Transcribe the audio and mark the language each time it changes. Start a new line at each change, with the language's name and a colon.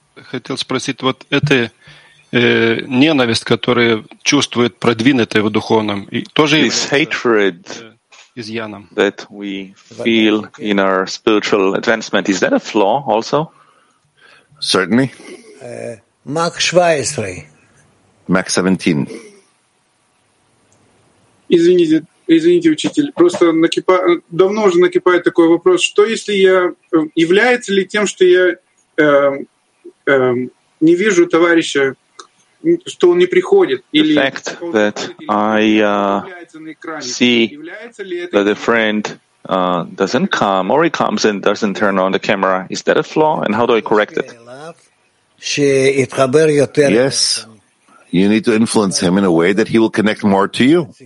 Russian: Хотел спросить, вот это ненависть, которую чувствует продвинутый в духовном, и тоже
English: this hatred
Russian: изъяном.
English: That we feel in our spiritual advancement, is that a flaw also? Certainly. Mark 17. Mark 17.
Russian: Извините, учитель, просто давно уже накипает такой вопрос, что если я, является ли тем, что я не вижу товарища, что он не приходит, или
English: the fact that I see that a friend doesn't come, or he comes and doesn't turn on the camera, is that a flaw, and how do I correct it? Yes, you need to influence him in a way that he will connect more to you.